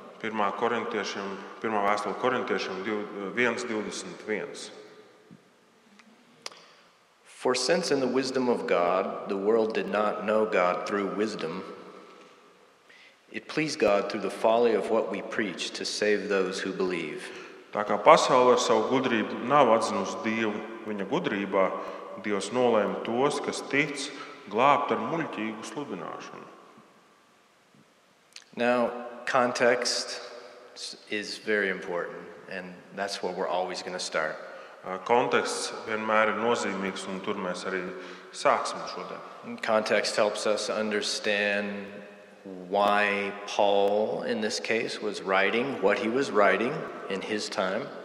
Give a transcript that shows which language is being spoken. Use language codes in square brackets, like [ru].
[lv] 1. Korintiešiem, 1. Vēstule Korintiešiem 1:21. [en] For since in the wisdom of God the world did not know God through wisdom, it pleased God through the folly of what we preach to save those who believe. [lv] Tā kā pasaule ar savu gudrību nav atzinusi Dievu, viņa gudrībā Dievs nolēma tos, kas tic, glābt ar muļķīgu sludināšanu. [en] Now, context is very important, and that's what we're always going to start. [lv] Konteksts vienmēr ir nozīmīgs, un tur mēs arī sāksim šodien. [en] Context helps us understand why Paul, in this case, was writing what he was writing in his time.